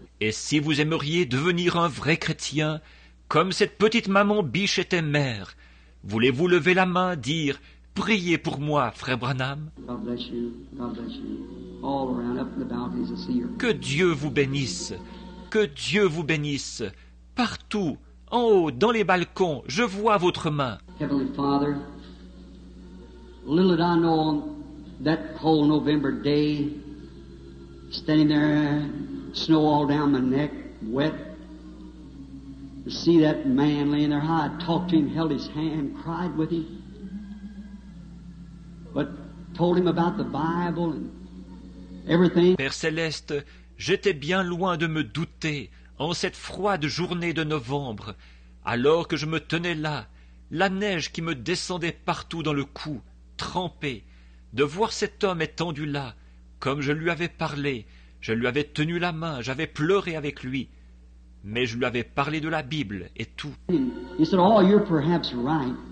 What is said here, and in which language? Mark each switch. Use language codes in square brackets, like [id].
[fr] Et si vous aimeriez devenir un vrai chrétien, comme cette petite maman biche était mère, voulez-vous lever la main, dire, priez pour moi, frère Branham? [en] God bless you, God bless you. All around, up in the balconies, I see your... [fr] Que Dieu vous bénisse, que Dieu vous bénisse, partout, en haut, dans les balcons, je vois votre main. [en] Heavenly Father, little did I know on that cold November day, standing there, snow all down my neck, wet, to see that man laying there, how I talked to him, held his hand, cried with him, but told him about the Bible and everything. [fr] Père Céleste, j'étais bien loin de me douter en cette froide journée de novembre, alors que je me tenais là, la neige qui me descendait partout dans le cou, trempé, de voir cet homme étendu là, comme je lui avais parlé, je lui avais tenu la main, j'avais pleuré avec lui. mais je lui avais parlé de la Bible et tout. [en] He said, oh, you're perhaps right.